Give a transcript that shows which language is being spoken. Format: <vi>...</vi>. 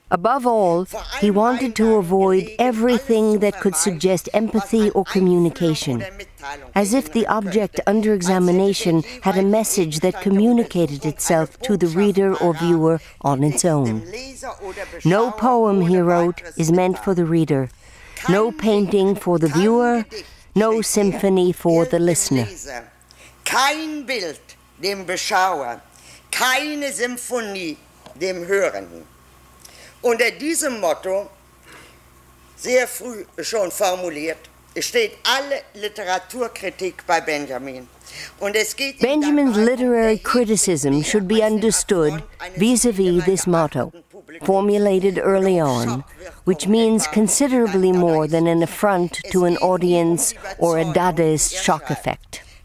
<en>Above all, he wanted to avoid everything that could suggest empathy or communication, as if the object under examination had a message that communicated itself to the reader or viewer on its own. No poem, he wrote, is meant for the reader, no painting for the viewer, no symphony for the listener.</en> <de>Kein Bild dem Beschauer, keine Symphonie dem Hörenden. Unter diesem Motto, sehr früh schon formuliert, steht alle Literaturkritik bei Benjamin.</de> <en>Benjamin's literary criticism should be understood vis-à-vis this motto, formulated early on, which means considerably more than an affront to an audience or a Dadaist shock effect.</en>